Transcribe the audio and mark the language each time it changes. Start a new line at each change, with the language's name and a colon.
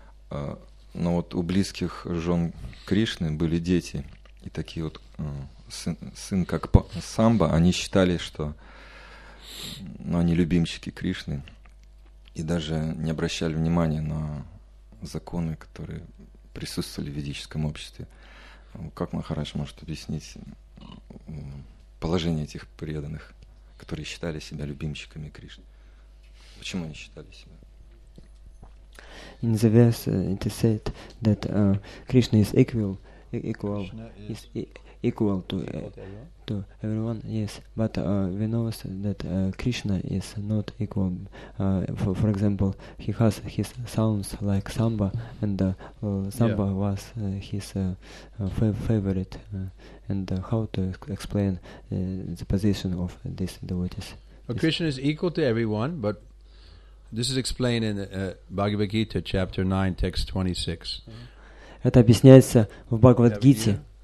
Russian: Но вот у близких жен Кришны были дети, и такие вот сын как Самба, они считали, что ну, они любимчики Кришны, и даже не обращали внимания на законы, которые присутствовали в ведическом обществе. Как Махарадж может объяснить положение этих преданных, которые считали себя любимчиками Кришны? Почему они считали себя?
English: In the verse, it is said that Krishna is equal, equal to everyone. Yes, but we know that Krishna is not equal. For example, he has his sounds like samba, and samba yeah. was his favorite. How to explain the position of this devotees? Krishna is equal to everyone, but this is explained in Bhagavad Gita, chapter 9, text 26.
Russian: Это объясняется в Бхагавад-гите.